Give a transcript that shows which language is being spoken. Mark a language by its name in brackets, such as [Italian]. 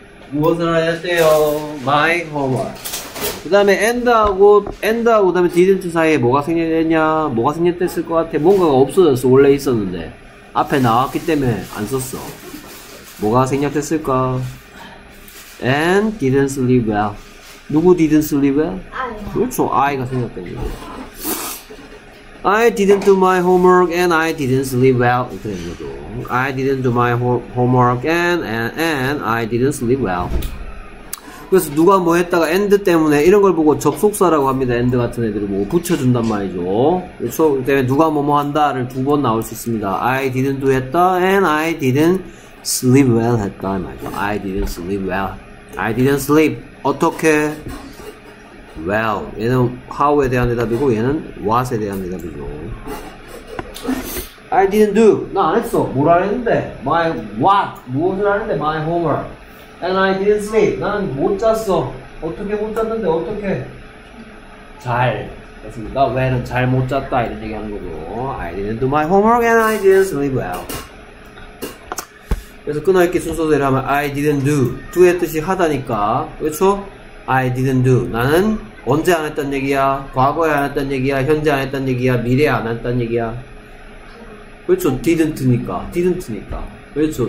[Korean] 무엇을 하셨대요? [English] My homework. [Korean] 그 다음에 end하고 그 다음에 didn't 사이에 뭐가 생겼냐? 뭐가 생겼댔을 것 같아? 뭔가가 없어졌어. 원래 있었는데 앞에 나왔기 때문에 안 썼어. 뭐가 생겼댔을까? [English] And didn't sleep well. [Korean] 누구 [English] didn't sleep well? I. [Korean] 그렇죠. I가 생겼대요. [English] I didn't do my homework and I didn't sleep well. 그래도 I didn't do my homework and I didn't sleep well. [Korean] 그래서 누가 뭐 했다가 and 때문에 이런 걸 보고 접속사라고 합니다. and 같은 애들을 뭐 붙여준단 말이죠. 그렇죠? 그 때문에 누가 뭐뭐 한다를 두 번 나올 수 있습니다. [English] I didn't do 했다 and I didn't sleep well 했다 말이죠. I didn't sleep well. I didn't sleep [Korean] 어떻게? Well, 얘는 how에 대한 대답이고 얘는 what에 대한 대답이죠. [English] I didn't do. [Korean] 나 안 했어. 뭘 안 했는데? [English] My what? [Korean] 무엇을 안 했는데? [English] My homework. And I didn't sleep. [Korean] 나는 못 잤어. 어떻게 못 잤는데? 어떻게? 잘. 됐습니까? Well은 잘 못 잤다 이런 얘기하는 거죠. [English] I didn't do my homework and I didn't sleep well. [Korean] 그래서 끊어있기 순서대로 하면 [English] I didn't do. [Korean] do의 뜻이 하다니까. 그렇죠? [English] I didn't do. [Korean] 나는 언제 안 했단 얘기야? 과거에 안 했단 얘기야? 현재 안 했단 얘기야? 미래에 안 했단 얘기야? 그렇죠. didn't니까. didn't니까. 그렇죠.